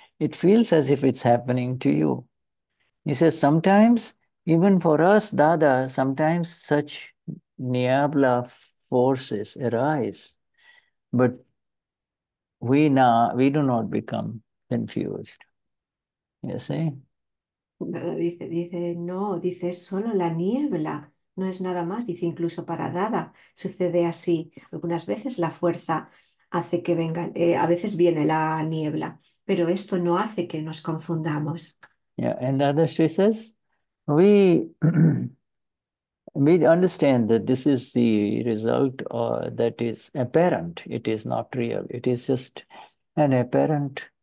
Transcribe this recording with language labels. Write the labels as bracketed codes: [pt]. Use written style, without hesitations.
[en] It feels as if it's happening to you. He says, sometimes, even for us, Dada, sometimes such niebla forces arise, but we do not become confused. You see? [es] Dice, no, dice, es solo la niebla, no es nada más, dice, incluso para Dada sucede así. Algunas veces la fuerza hace que venga, a veces viene la niebla, pero esto no hace que nos confundamos. [en] Yeah, and the other she says, we understand that this is the result that is apparent. It is not real. It is just an apparent